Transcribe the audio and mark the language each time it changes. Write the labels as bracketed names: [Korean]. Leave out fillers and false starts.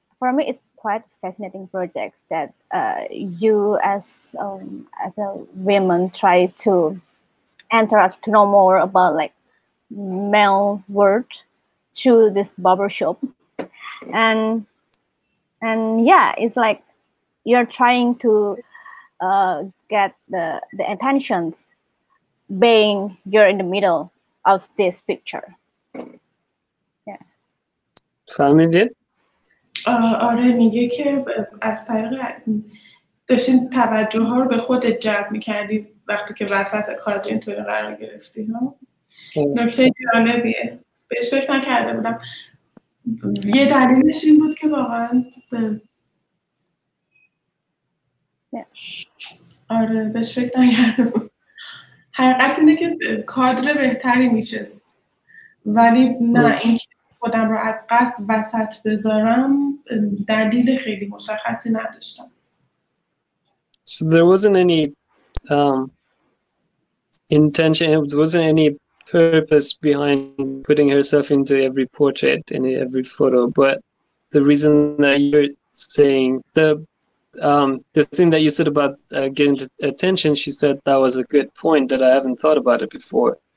[English] For me, it's quite fascinating projects that you as a woman try to enter us to know more about like male world through this barbershop. And yeah, it's like you're trying to get the attentions being you're in the middle of this picture. Yeah. [Persian] فهمید؟ آره میگه که از طریق داشتین توجه ها رو به خودت جلب میکردی وقتی که وسط کادر اینطوری قرار گرفتی ها. نکته جالبیه. بهش فکر نکرده بودم. یه دلیلش این بود که واقعا آره بهش فکر نکرده بودم. حقیقت اینه که کادر بهتری میشست ولی نه اینکه خودم رو از قصد وسط بذارم دلیل خیلی مشخصی نداشتم. [English] So there wasn't any intention, there wasn't any purpose behind putting herself into every portrait, in every photo, but the reason that you're saying the thing that you said about getting attention, she said that was a good point that I haven't thought about it before.